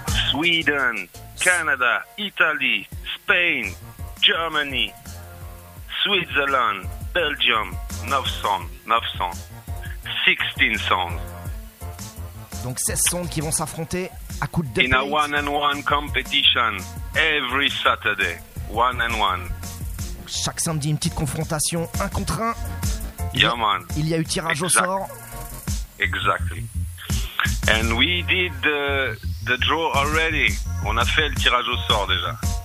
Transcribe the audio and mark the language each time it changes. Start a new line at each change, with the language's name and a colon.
English: Sweden, Canada, Italy, Spain, Germany, Switzerland, Belgium. 9 songs. 16 songs.
French: Donc 16 songs qui vont s'affronter à coup de
English: In a one and one competition every Saturday. One and one.
French: Chaque samedi, une petite confrontation, un contre un.
English: Yeah, man.
French: Il y a eu tirage au sort.
English: Exactly. And we did the draw already.
French: On a fait le tirage au sort déjà.